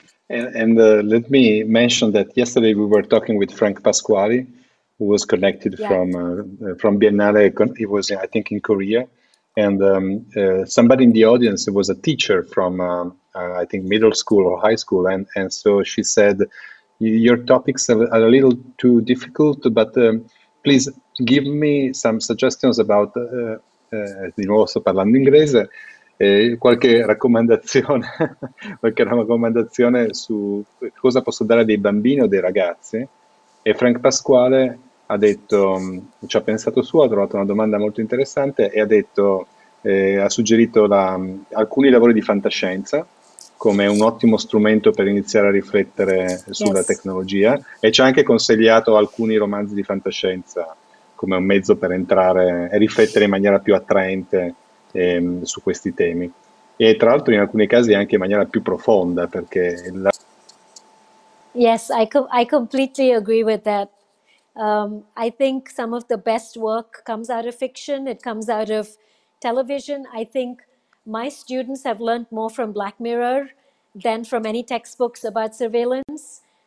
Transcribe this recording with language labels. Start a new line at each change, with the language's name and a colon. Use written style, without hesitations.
English: And let me mention that yesterday we were talking with Frank Pasquale, who was connected from Biennale. He was, I think, in Korea. And somebody in the audience was a teacher from, I think, middle school or high school. And so she said, your topics are a little too difficult, but please give me some suggestions about,
Italian: di nuovo sto parlando inglese, qualche raccomandazione su cosa posso dare a dei bambini o dei ragazzi. E Frank Pasquale ha detto, ci ha pensato su, ha trovato una domanda molto interessante e ha detto, ha suggerito alcuni lavori di fantascienza come un ottimo strumento per iniziare a riflettere sulla tecnologia e ci ha anche consigliato alcuni romanzi di fantascienza come un mezzo per entrare e riflettere in maniera più attraente su questi temi e tra l'altro in alcuni casi anche in maniera più profonda perché la...
English: Yes, I completely agree with that. I think some of the best work comes out of fiction, it comes out of television. I think my students have learned more from Black Mirror than from any textbooks about surveillance.